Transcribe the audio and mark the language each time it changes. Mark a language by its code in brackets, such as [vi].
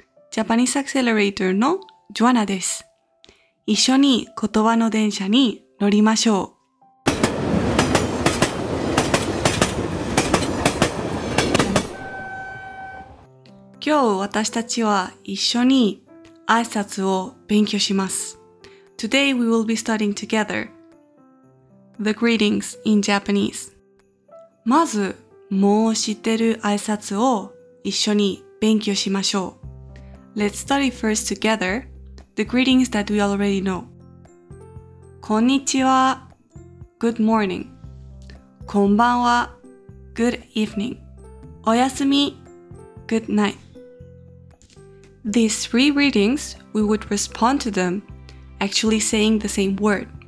[ja] ジャパニーズアクセラレーターのジョアナです。一緒に言葉の電車に乗りましょう。今日私たちは一緒に挨拶を勉強します。 [en] Today we will be studying together the greetings in Japanese. [ja] まず、もう知ってる挨拶を一緒に勉強しましょう。 [en] Let's study first together the greetings that we already know. [ja] こんにちは。 [en] Good morning. [ja] こんばんは。 [en] Good evening. [ja] おやすみ。 [en] Good night. These three readings, we would respond to them, actually saying the same word.